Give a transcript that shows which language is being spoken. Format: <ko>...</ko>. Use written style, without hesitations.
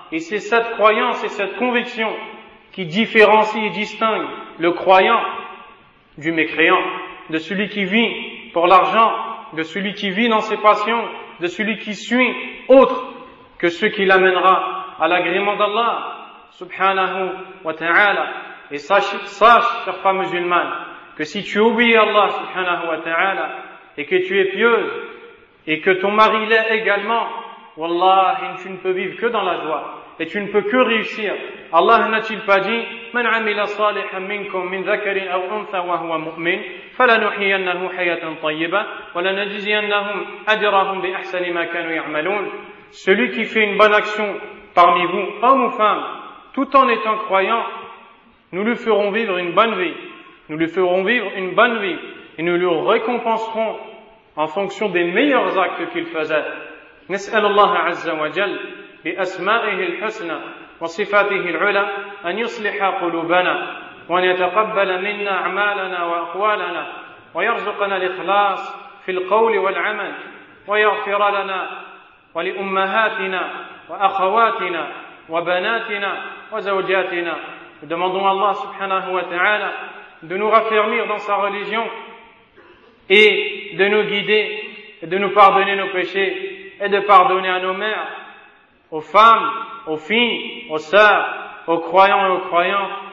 <fr>Et c'est cette croyance et cette conviction qui différencie et distingue le croyant du mécréant, de celui qui vit pour l'argent, de celui qui vit dans ses passions, de celui qui suit autre que ce qui l'amènera à l'agrément d'Allah subhanahu wa ta'ala. Et sache, chère femme musulmane, que si tu obéis à Allah subhanahu wa ta'ala et que tu es pieuse et que ton mari l'est également, Wallah, tu ne peux vivre que dans la joie. et tu ne peux que réussir. Allah n'a-t-il pas dit</fr> <ar>من عمل صالحا منكم من ذكر أو أنثى وهو مؤمن فلنحيينه حياة طيبة ولنجزينهم أجرهم بأحسن ما كانوا يعملون.</ar> <fr>Celui qui fait une bonne action parmi vous, homme ou femme, tout en étant croyant, nous lui ferons vivre une bonne vie. Nous lui ferons vivre une bonne vie et nous le récompenserons en fonction des meilleurs actes qu'il faisait.</fr> <ar>نسأل الله عز وجل بأسمائه الحسنى وصفاته العلى أن يصلح قلوبنا وأن يتقبل منا أعمالنا وأقوالنا ويرزقنا الإخلاص في القول والعمل ويغفر لنا ولأمهاتنا وأخواتنا وبناتنا وزوجاتنا.</ar> <fr>Demandons à Allah subhanahu wa ta'ala de nous raffermir dans sa religion et de nous guider et de nous pardonner nos péchés et de pardonner à nos mères, aux femmes, aux filles, aux sœurs, aux croyants et aux croyants.</fr>